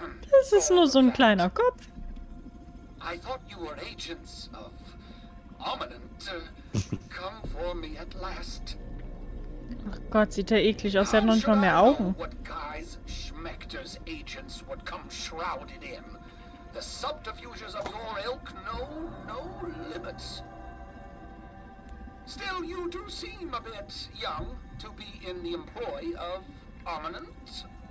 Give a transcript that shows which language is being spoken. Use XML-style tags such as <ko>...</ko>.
<de>Das ist nur so ein kleiner Kopf.</de> <en>I thought you were agents of Ominent. Come for me at last.</en> <de>Ach Gott, sieht er eklig aus. Er hat noch nicht mal mehr Augen.</de> <en>What guys Schmechter's agents would come shrouded in. The subterfuges of your ilk know no limits. Still, you do seem a bit young to be in the employ of Ominent.</en>